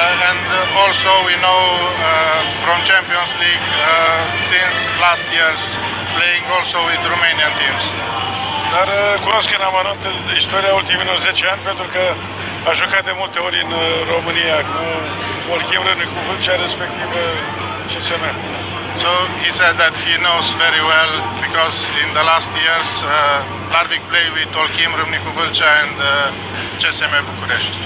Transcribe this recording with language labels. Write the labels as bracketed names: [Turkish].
[English] And also we know from Champions League since last year's playing also with Romanian teams. [Romanian] Dar cunosc în amănunt istoria ultimilor 10 ani pentru că a jucat de multe ori în România cu Olchim Rânicu, Vâlcea respectivă CSM. [English] So he said that he knows very well because in the last years Larvik played with Olchim Rânicu, Vâlcea and CSM București.